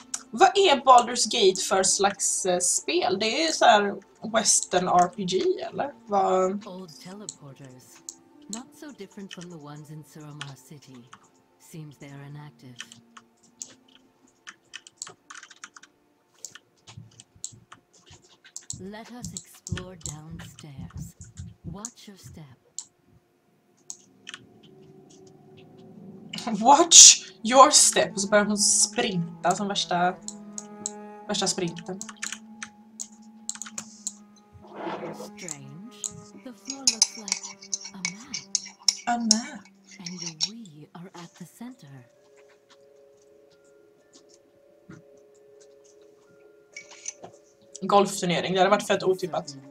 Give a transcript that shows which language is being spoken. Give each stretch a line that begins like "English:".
Swedish: Vad är Baldur's Gate för slags spel? Det är så här western RPG eller? Vad
English: old teleporters. Not so different from the ones in Suramar City. Seems they are inactive. Let us explore downstairs. Watch your step. Watch your step.
Swedish: Och så börjar hon sprinta som värsta sprinten.
English: Strange. The floor looks like a map. A map. And we are at the center.
Swedish: Golfturnering. Det hade varit fett otippat.